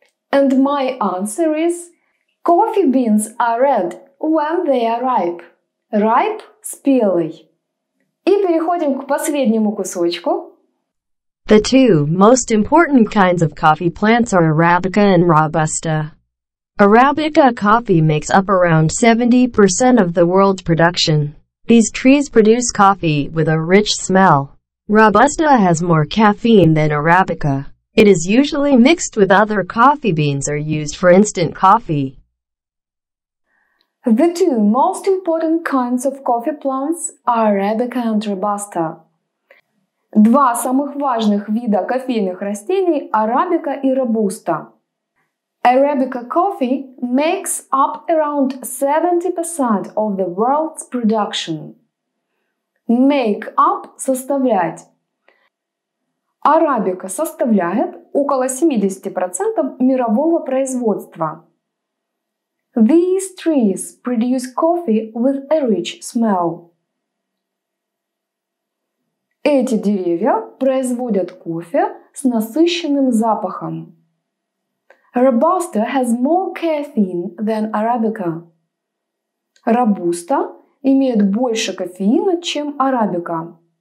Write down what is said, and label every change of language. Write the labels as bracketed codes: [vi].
[en] And my answer is, coffee beans are red when they are ripe. [ru] Ripe – спелый. И переходим к последнему кусочку. [en] The two most important kinds of coffee plants are Arabica and Robusta. Arabica coffee makes up around 70% of the world's production. These trees produce coffee with a rich smell. Robusta has more caffeine than Arabica. It is usually mixed with other coffee beans or used for instant coffee. The two most important kinds of coffee plants are Arabica and Robusta. [ru] Два самых важных вида кофейных растений – Арабика и Робуста. [en] Arabica coffee makes up around 70% of the world's production. Make up – составлять. [ru] Арабика составляет около 70% мирового производства. [en] These trees produce coffee with a rich smell. [ru] Эти деревья производят кофе с насыщенным запахом. [en] Robusta has more caffeine than Arabica. [ru] Robusta имеет больше кофеина, чем Арабика.